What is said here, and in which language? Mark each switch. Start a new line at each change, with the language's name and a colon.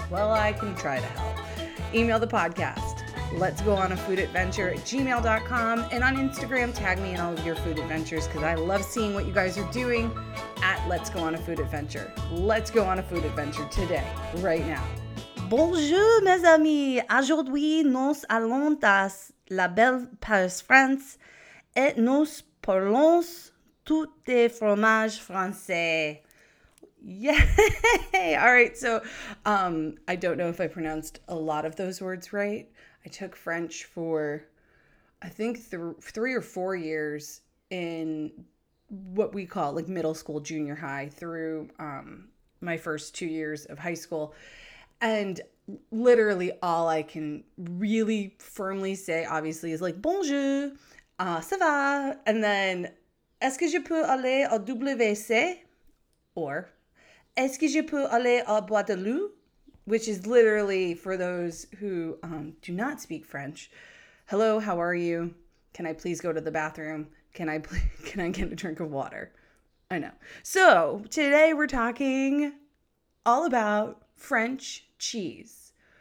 English: Well, I can try to help. Email the podcast. Let's go on a food adventure at gmail.com. And on Instagram, tag me in all of your food adventures because I love seeing what you guys are doing. Let's go on a food adventure. Let's go on a food adventure today, right now.
French: Bonjour, mes amis. Aujourd'hui, nous allons dans la belle Paris, France, et nous parlons tout de fromage français. Yay!
English: All right, so I don't know if I pronounced a lot of those words right. I took French for, I think, three or four years in what we call like middle school, junior high, through my first 2 years of high school. And literally all I can really firmly say, obviously, is like,
French: bonjour, ça va?
English: And then,
French: est-ce que je peux aller au WC?
English: Or,
French: est-ce que je peux aller au Bois de Loup?
English: Which is literally, for those who do not speak French, hello, how are you? Can I please go to the bathroom? Can I get a drink of water? I know. So today we're talking all about French cheese.